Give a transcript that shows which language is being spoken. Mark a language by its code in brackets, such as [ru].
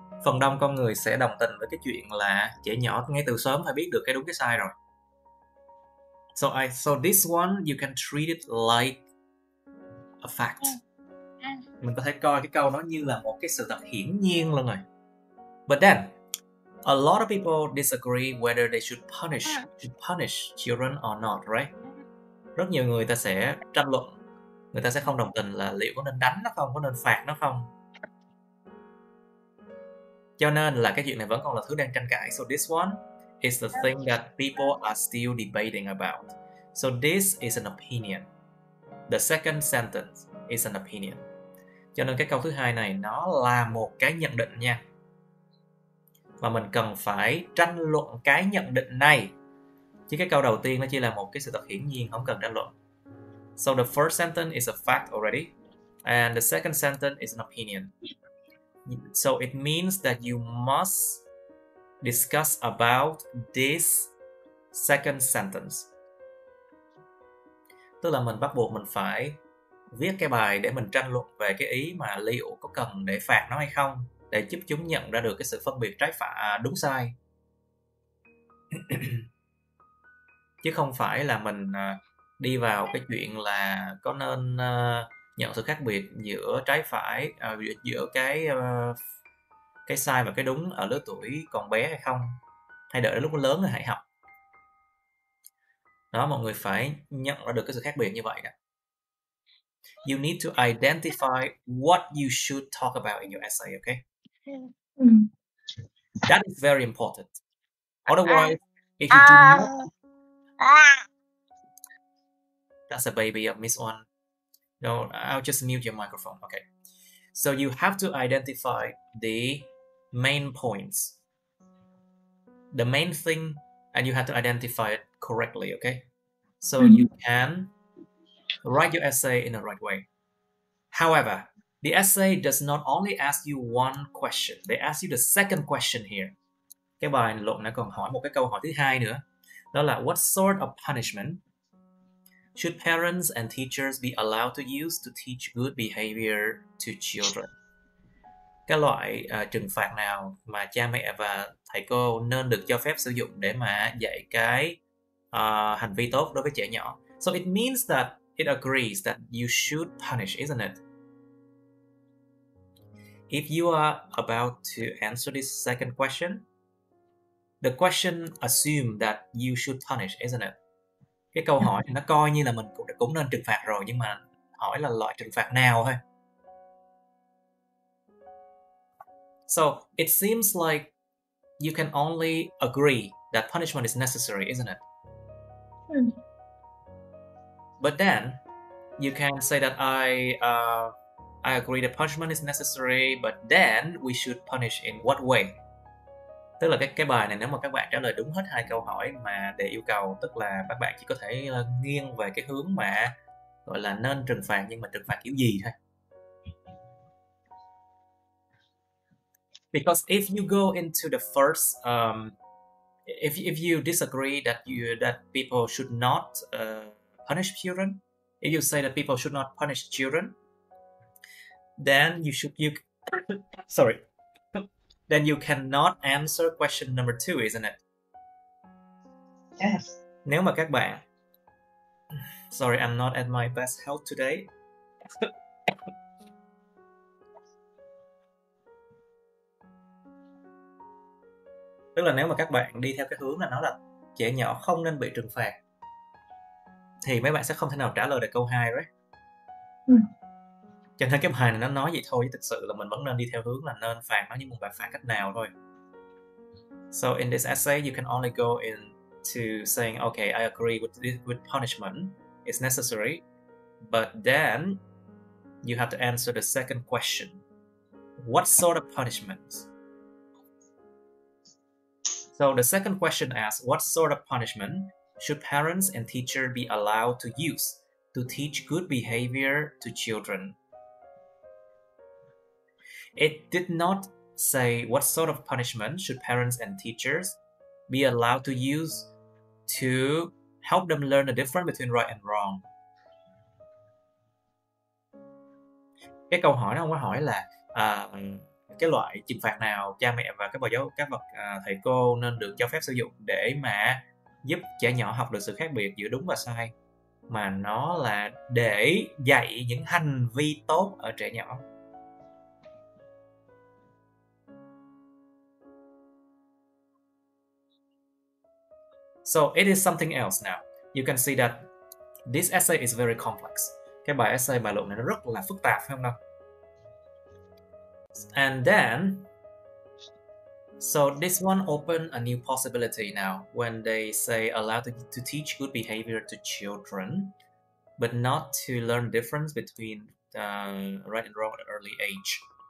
[vi] Phần đông con người sẽ đồng tình với cái chuyện là trẻ nhỏ ngay từ sớm phải biết được cái đúng cái sai rồi. [en] So this one you can treat it like a fact. [vi] Mình có thể coi cái câu nó như là một cái sự thật hiển nhiên luôn rồi. [en] But then, a lot of people disagree whether they should punish children or not, right? [vi] Rất nhiều người ta sẽ tranh luận, người ta sẽ không đồng tình là liệu có nên đánh nó không, có nên phạt nó không. Cho nên là cái chuyện này vẫn còn là thứ đang tranh cãi. [en] So this one is the thing that people are still debating about. So this is an opinion. The second sentence is an opinion. [vi] Cho nên cái câu thứ hai này nó là một cái nhận định nha. Và mình cần phải tranh luận cái nhận định này. Chứ cái câu đầu tiên nó chỉ là một cái sự thật hiển nhiên, không cần tranh luận. [en] So the first sentence is a fact already. And the second sentence is an opinion. So it means that you must discuss about this second sentence. Tức là mình bắt buộc mình phải viết cái bài để mình tranh luận về cái ý mà liệu có cần để phạt nó hay không, để giúp chúng nhận ra được cái sự phân biệt trái phải đúng sai. Chứ không phải là mình đi vào cái chuyện là có nên nhận sự khác biệt giữa trái phải, giữa cái sai và cái đúng ở lứa tuổi còn bé hay không, hay đợi đến lúc lớn rồi hãy học. Đó, mọi người phải nhận ra được cái sự khác biệt như vậy đó. You need to identify what you should talk about in your essay, okay? That is very important. Otherwise, if you do not, that's a baby, I miss one. No, I'll just mute your microphone, okay? So you have to identify the main points, the main thing, and you have to identify it correctly, okay? So you can write your essay in the right way. However, the essay does not only ask you one question, they ask you the second question here. [vi] Cái bài luận nó còn hỏi một cái câu hỏi thứ hai nữa. Đó là [en] what sort of punishment should parents and teachers be allowed to use to teach good behavior to children? [vi] Cái loại trừng phạt nào mà cha mẹ và thầy cô nên được cho phép sử dụng để mà dạy cái hành vi tốt đối với trẻ nhỏ. [en] So it means that it agrees that you should punish, isn't it? If you are about to answer this second question, the question assume that you should punish, isn't it? [vi] Cái câu hỏi nó coi như là mình cũng nên trừng phạt rồi, nhưng mà hỏi là loại trừng phạt nào thôi. [en] So it seems like you can only agree that punishment is necessary, isn't it? But then you can say that I agree that punishment is necessary, but then we should punish in what way? [vi] Tức là cái bài này nếu mà các bạn trả lời đúng hết hai câu hỏi mà để yêu cầu, tức là các bạn chỉ có thể nghiêng về cái hướng mà gọi là nên trừng phạt, nhưng mà trừng phạt kiểu gì thôi. [en] Because if you go into the first if you disagree that people should not punish children, if you say that people should not punish children, then sorry. Then you cannot answer question number two, isn't it? Yes. [vi] Nếu mà các bạn, [en] sorry, I'm not at my best health today. [vi] Tức là nếu mà các bạn đi theo cái hướng là nói là trẻ nhỏ không nên bị trừng phạt thì mấy bạn sẽ không thể nào trả lời được câu 2 rồi. Cho nên cái bài này nó nói vậy thôi, chứ thực sự là mình vẫn nên đi theo hướng là nên phạt nó, nhưng mà phạt cách nào thôi. [en] So in this essay, you can only go in to saying, okay, I agree with this, with punishment, it's necessary, but then you have to answer the second question. What sort of punishment? So the second question asks, what sort of punishment should parents and teachers be allowed to use to teach good behavior to children? It did not say what sort of punishment should parents and teachers be allowed to use to help them learn the difference between right and wrong. [vi] Cái câu hỏi nó không có hỏi là cái loại trừng phạt nào cha mẹ và các bậc giáo các bậc thầy cô nên được cho phép sử dụng để mà giúp trẻ nhỏ học được sự khác biệt giữa đúng và sai, mà nó là để dạy những hành vi tốt ở trẻ nhỏ. [en] So it is something else now. You can see that this essay is very complex. [vi] Cái bài essay, bài luận này nó rất là phức tạp, phải không nào? [en] And then, so this one opened a new possibility now when they say allowed to teach good behavior to children, but not to learn difference between right and wrong at an early age.